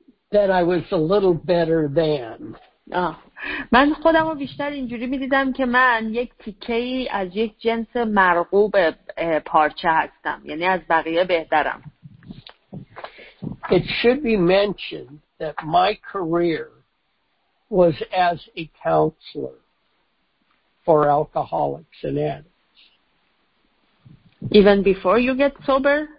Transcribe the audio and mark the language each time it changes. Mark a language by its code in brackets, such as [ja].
[en] That I was a little better than. [fa] من خودم رو بیشتر اینجوری می‌دیدم که من یک تیکه‌ای از یک جنس مرغوب پارچه هستم، یعنی از بقیه بهترم. [en] It should be mentioned that my career was as a counselor for alcoholics and addicts. Even before you get sober?